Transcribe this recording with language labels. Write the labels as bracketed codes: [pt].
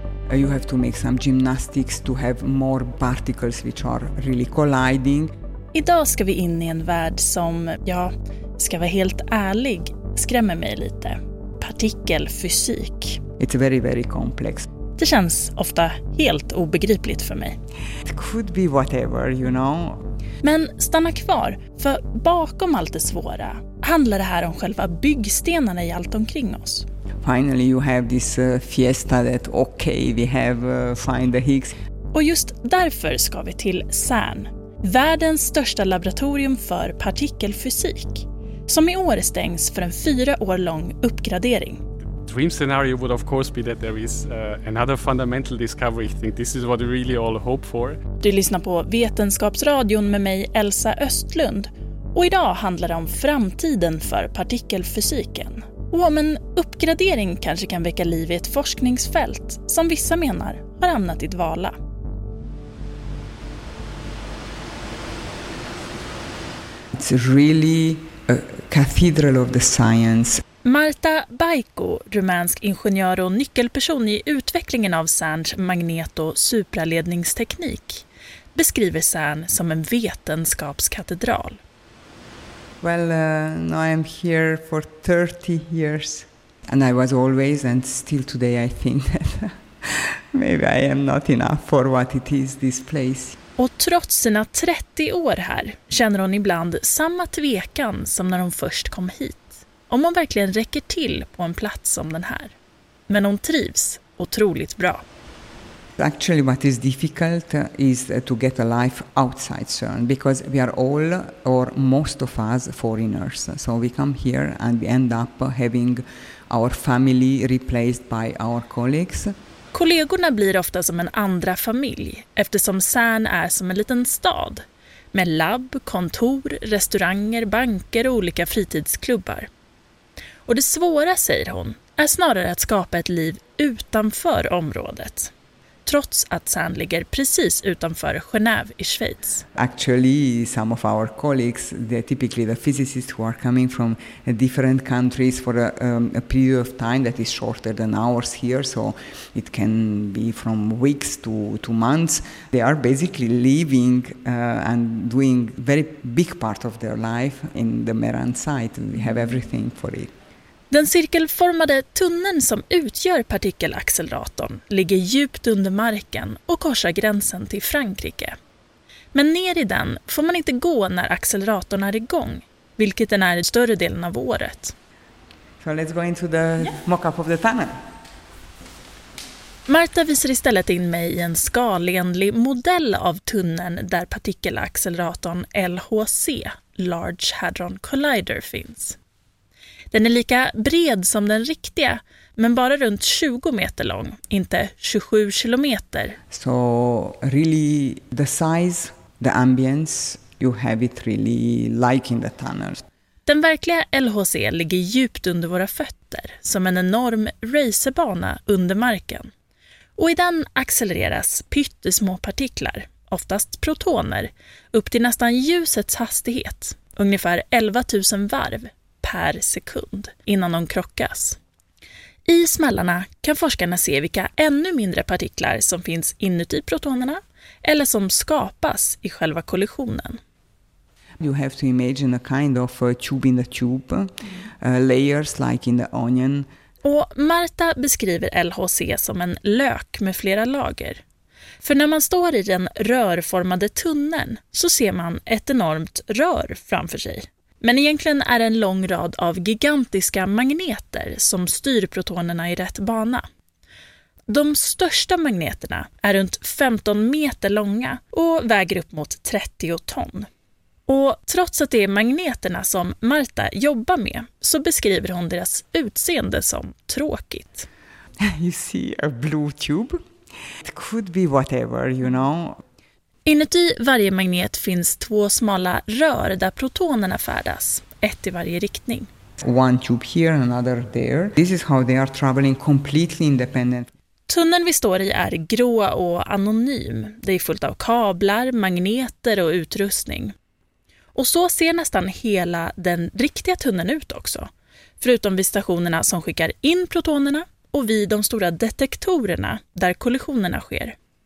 [en] You have to make some gymnastics to have more particles which are really colliding. [sv] Idag ska vi in i en värld som, ja, ska vara helt ärlig, skrämmer mig lite. Partikelfysik. [en] It's very, very complex. [sv] Det känns ofta helt obegripligt för mig. [en] It could be whatever, you know. [sv] Men stanna kvar, för bakom allt det svåra handlar det här om själva byggstenarna i allt omkring oss. [en] Finally you have this fiesta that okay, we have find the Higgs. [sv] Och just därför ska vi till CERN, världens största laboratorium för partikelfysik, som i år stängs för en 4 år lång uppgradering. [en] Dream scenario would of course be that there is another fundamental discovery. I think this is what we really all hope for. [sv] Du lyssnar på Vetenskapsradion med mig Elsa Östlund. Och idag handlar det om framtiden för partikelfysiken. Och om en uppgradering kanske kan väcka liv i ett forskningsfält som vissa menar har hamnat i dvala. [en] It's really a cathedral of the science. [sv] Marta Baico, rumänsk ingenjör och nyckelperson i utvecklingen av CERNs magneto-supraledningsteknik, beskriver CERN som en vetenskapskatedral. [en] Well, now I'm here for 30 years and I was always and still today I think that maybe I am not enough for what it is this place. [sv] Och trots sina 30 år här känner hon ibland samma tvekan som när hon först kom hit. Om hon verkligen räcker till på en plats som den här. Men hon trivs otroligt bra. [en] Actually what is difficult is to get a life outside CERN because we are all or most of us foreigners. So we come here and we end up having our family replaced by our colleagues. [sv] Kollegorna blir ofta som en andra familj eftersom CERN är som en liten stad med labb, kontor, restauranger, banker och olika fritidsklubbar. Och det svåra, säger hon, är snarare att skapa ett liv utanför området. Trots att CERN ligger precis utanför Genève i Schweiz. [en] Actually, some of our colleagues, they're typically the physicists who are coming from different countries for a period of time that is shorter than ours here, so it can be from weeks to months. They are basically living and doing very big part of their life in the Meran site. We have everything for it. [sv] Den cirkelformade tunneln som utgör partikelacceleratorn ligger djupt under marken och korsar gränsen till Frankrike. Men ner i den får man inte gå när acceleratorn är igång, vilket den är i större delen av året. [en] So let's go into the mock-up of the tunnel. [sv] Marta visar istället in mig i en skalenlig modell av tunneln där partikelacceleratorn LHC, Large Hadron Collider, finns. Den är lika bred som den riktiga, men bara runt 20 meter lång, inte 27 kilometer. [en] So really the size, the ambience, you have it really like in the tunnel. [sv] Den verkliga LHC ligger djupt under våra fötter, som en enorm racerbana under marken. Och i den accelereras pyttesmå partiklar, oftast protoner, upp till nästan ljusets hastighet, ungefär 11 000 varv per sekund innan de krockas. I smällarna kan forskarna se vilka ännu mindre partiklar som finns inuti protonerna eller som skapas i själva kollisionen. [en] You have to imagine a kind of a tube in the tube, layers like in the onion. [sv] Och Marta beskriver LHC som en lök med flera lager. För när man står i den rörformade tunneln så ser man ett enormt rör framför sig. Men egentligen är det en lång rad av gigantiska magneter som styr protonerna i rätt bana. De största magneterna är runt 15 meter långa och väger upp mot 30 ton. Och trots att det är magneterna som Marta jobbar med så beskriver hon deras utseende som tråkigt. [en] You see a blue tube? It could be whatever, you know. [sv] Inuti varje magnet finns två smala rör där protonerna färdas, ett i varje riktning. [en] One tube here, another there. This is how they are traveling completely independent. [sv] Tunneln vi står i är grå och anonym. Det är fullt av kablar, magneter och utrustning. Och så ser nästan hela den riktiga tunneln ut också. Förutom vid stationerna som skickar in protonerna och vid de stora detektorerna där kollisionerna sker.